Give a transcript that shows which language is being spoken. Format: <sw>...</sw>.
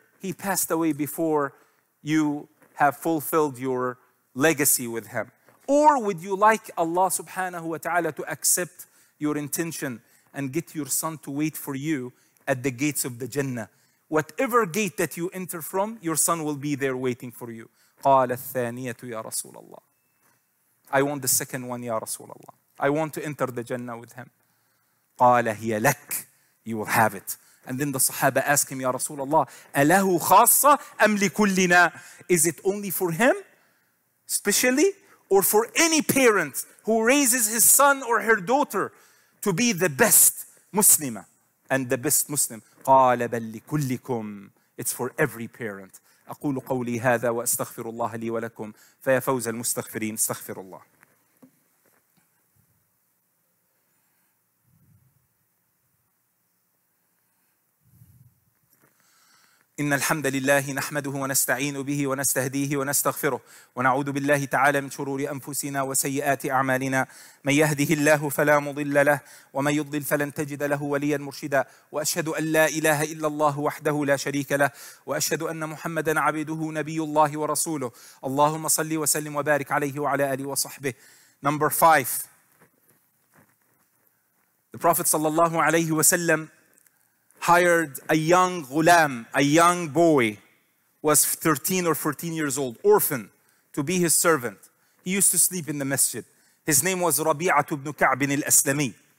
<en>He passed away before you have fulfilled your legacy with him. Or would you like Allah subhanahu wa ta'ala to accept your intention and get your son to wait for you at the gates of the Jannah? Whatever gate that you enter from, your son will be there waiting for you."</en> <ar>قال الثانية يا رسول الله.</ar> <en>I want the second one,</en> <ar>يا رسول الله.</ar> <en>I want to enter the Jannah with him.</en> <ar>قال هي لك.</ar> <en>You will have it. And then the Sahaba asked him,</en> <ar>يا رسول الله, أله خاصة أم لكلنا?</ar> <en>Is it only for him, specially, or for any parent who raises his son or her daughter to be the best Muslima and the best Muslim?</en> <ar>قال بل لكلكم.</ar> <en>It's for every parent.</en> <ar>أقول قولي هذا وأستغفر الله لي ولكم فيا فوز المستغفرين. استغفر الله. إن الحمد لله نحمده ونستعين به ونستهديه ونستغفره ونعوذ بالله تعالى من شرور أنفسنا وسيئات أعمالنا. من يهده الله فلا مضل له ومن يضلل فلن تجد له وليا مرشدا. وأشهد أن لا إله إلا الله وحده لا شريك له وأشهد أن محمدا عبده نبي الله ورسوله. اللهم صل وسلم وبارك عليه وعلى آله وصحبه.</ar> <en>Number 5. The Prophet</en> <ar>صلى الله عليه وسلم</ar> <en>hired a young ghulam, a young boy, was 13 or 14 years old, orphan, to be his servant. He used to sleep in the masjid. His name was Rabi'at ibn Ka'b al-Aslami.</en>